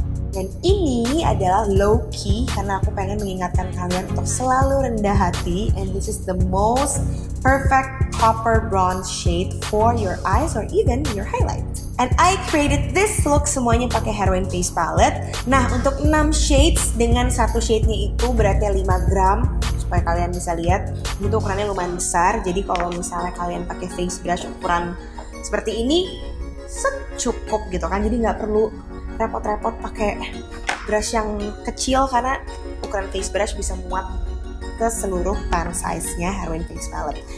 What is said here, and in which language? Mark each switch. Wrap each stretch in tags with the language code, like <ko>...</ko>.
<id>Dan ini adalah low key, karena aku pengen mengingatkan kalian untuk selalu rendah hati.</id> <en>And this is the most perfect copper bronze shade for your eyes or even your highlight. And I created this look</en> <id>semuanya pakai</id> <en>Heroine Face Palette.</en> <id>Nah, untuk 6 shades dengan 1 shade-nya itu beratnya 5 gram. Supaya kalian bisa lihat, itu ukurannya lumayan besar. Jadi kalau misalnya kalian pakai face brush ukuran seperti ini, secukup gitu kan. Jadi nggak perlu repot-repot pakai brush yang kecil karena ukuran face brush bisa muat ke seluruh pan size-nya Heroine Face Palette.</id>